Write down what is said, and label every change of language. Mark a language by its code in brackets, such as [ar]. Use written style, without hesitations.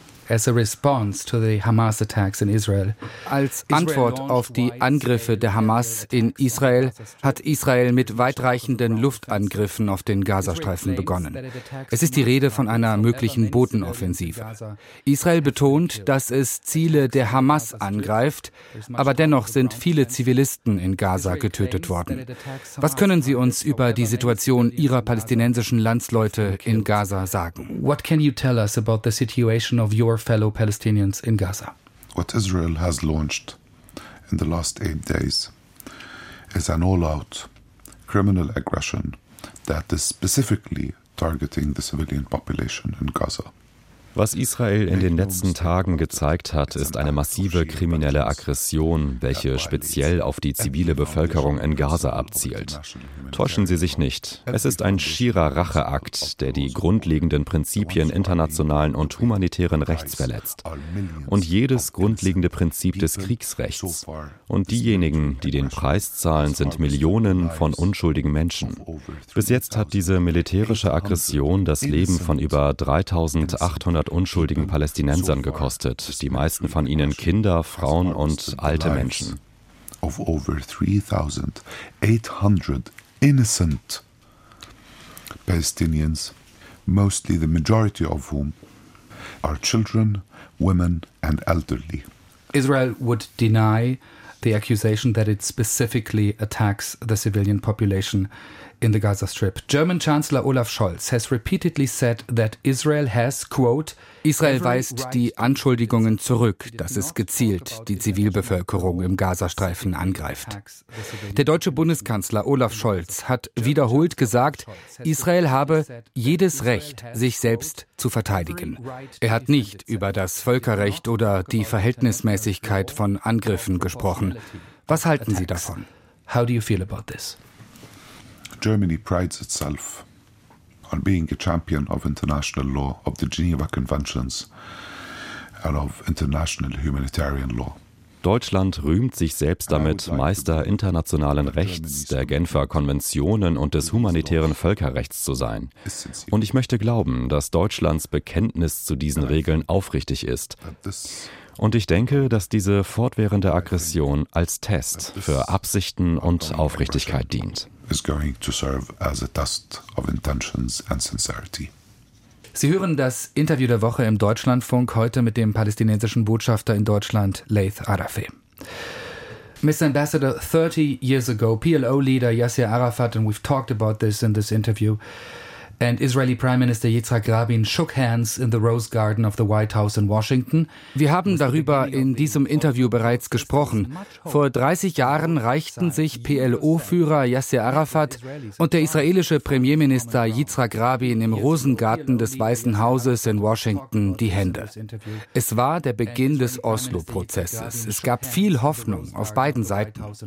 [en] As a response to the Hamas attacks in Israel. [de] Als Antwort auf die Angriffe der Hamas in Israel hat Israel mit weitreichenden Luftangriffen auf den Gazastreifen begonnen. Es ist die Rede von einer möglichen Bodenoffensive. Israel betont, dass es Ziele der Hamas angreift, aber dennoch sind viele Zivilisten in Gaza getötet worden. Was können Sie uns über die Situation Ihrer palästinensischen Landsleute in Gaza sagen? What can you tell us about the situation of your fellow Palestinians in Gaza? What Israel has launched in the last 8 days is an all-out criminal aggression that is specifically targeting the civilian population in Gaza. Was Israel in den letzten Tagen gezeigt hat, ist eine massive kriminelle Aggression, welche speziell auf die zivile Bevölkerung in Gaza abzielt. Täuschen Sie sich nicht, es ist ein schierer Racheakt, der die grundlegenden Prinzipien internationalen und humanitären Rechts verletzt. Und jedes grundlegende Prinzip des Kriegsrechts. Und diejenigen, die den Preis zahlen, sind Millionen von unschuldigen Menschen. Bis jetzt hat diese militärische Aggression das Leben von über 3.800 unschuldigen Palästinensern gekostet, die meisten von ihnen Kinder, Frauen und alte Menschen. [en] Of over 3.800 innocent Palestinians, mostly the majority of whom are children, women and elderly. Israel would deny the accusation that it specifically attacks the civilian population in the Gaza Strip. German Chancellor Olaf Scholz has repeatedly said that Israel has, quote, [de] Israel weist die Anschuldigungen zurück, dass es gezielt die Zivilbevölkerung im Gazastreifen angreift. Der deutsche Bundeskanzler Olaf Scholz hat wiederholt gesagt, Israel habe jedes Recht, sich selbst zu verteidigen. Er hat nicht über das Völkerrecht oder die Verhältnismäßigkeit von Angriffen gesprochen. Was halten Sie davon? [en] How do you feel about this? Germany prides itself on being a champion of international law, of the Geneva Conventions, and of international humanitarian law. [de] Deutschland rühmt sich selbst damit, Meister internationalen Rechts, der Genfer Konventionen und des humanitären Völkerrechts zu sein. Und ich möchte glauben, dass Deutschlands Bekenntnis zu diesen Regeln aufrichtig ist. Und ich denke, dass diese fortwährende Aggression als Test für Absichten und Aufrichtigkeit dient. [en] Is going to serve as a test of intentions and sincerity. [de] Sie hören das Interview der Woche im Deutschlandfunk heute mit dem palästinensischen Botschafter in Deutschland, Laith Arafat. [en] Mr. Ambassador, 30 years ago, PLO leader Yasser Arafat, and we've talked about this in this interview, and Israeli Prime Minister Yitzhak Rabin shook hands in the Rose Garden of the White House in Washington. [de] Wir haben darüber in diesem Interview bereits gesprochen. Vor 30 Jahren reichten sich PLO-Führer Yasser Arafat und der israelische Premierminister Yitzhak Rabin im Rosengarten des Weißen Hauses in Washington die Hände. Es war der Beginn des Oslo-Prozesses. Es gab viel Hoffnung auf beiden Seiten.